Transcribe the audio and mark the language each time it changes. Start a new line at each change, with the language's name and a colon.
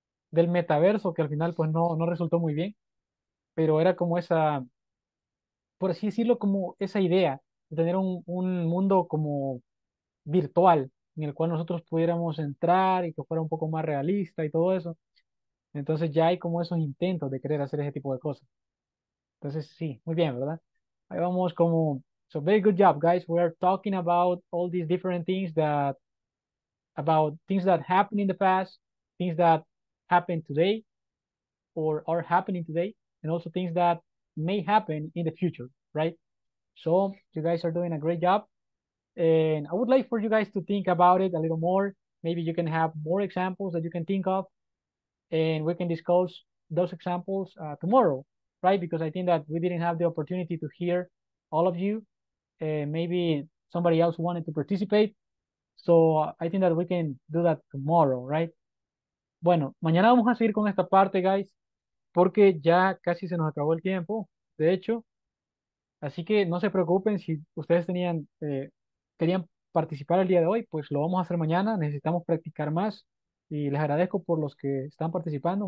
Spanish: Del metaverso, que al final pues no resultó muy bien. Pero era como esa, por así decirlo, como esa idea de tener un mundo como virtual, en el cual nosotros pudiéramos entrar y que fuera un poco más realista y todo eso. Entonces ya hay como esos intentos de querer hacer ese tipo de cosas. Entonces sí, muy bien, ¿verdad? Ahí vamos como...
English: So very good job, guys. We are talking about all these different things that happened in the past, things that happened today or are happening today, and also things that may happen in the future, right? So you guys are doing a great job. And I would like for you guys to think about it a little more. Maybe you can have more examples that you can think of, and we can discuss those examples tomorrow, right? Because I think that we didn't have the opportunity to hear all of you. Maybe somebody else wanted to participate. So I think that we can do that tomorrow, right?
Spanish: Bueno, mañana vamos a seguir con esta parte, guys, porque ya casi se nos acabó el tiempo, de hecho. Así que no se preocupen si ustedes querían participar el día de hoy, pues lo vamos a hacer mañana. Necesitamos practicar más. Y les agradezco por los que están participando.